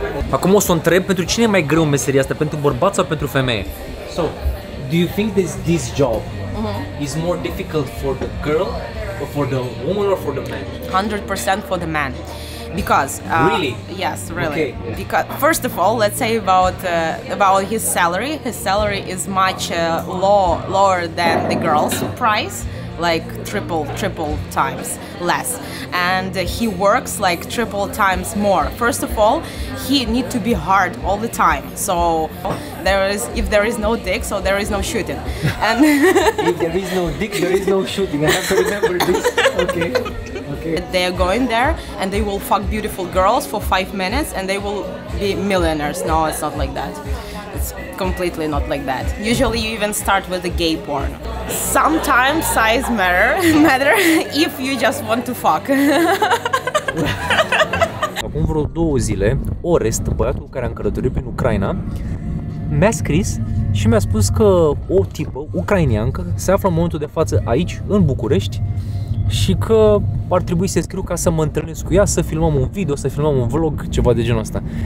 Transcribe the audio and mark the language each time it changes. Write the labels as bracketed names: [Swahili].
[Romanian] Acum o să o întreb, pentru cine e mai greu meseria asta, pentru bărbat sau pentru femeie? [English] So, do you think this job is more difficult for the girl or for the woman or for the man? 100% for the man. Because really? Yes, really. Okay. Because first of all, let's say about his salary. His salary is much lower than the girl's price, like triple times less. And he works like triple times more. First of all, he need to be hard all the time. So if there is no dick, so there is no shooting. And if there is no dick, there is no shooting. I have to remember this. Okay. Okay. They are going there and they will fuck beautiful girls for 5 minutes and they will be millionaires. No, it's not like that. It's completely not like that. Usually you even start with the gay porn. Sometimes size matter if you just want to fuck. [Romanian] Acum vreo două zile, Orest, băiatul care a călătorit prin Ucraina, mi-a scris și mi-a spus că o tipă ucraineancă se află în momentul de față aici, în București, și că ar trebui să scriu ca să mă întâlnesc cu ea, să filmăm un video, să filmăm un vlog, ceva de genul ăsta.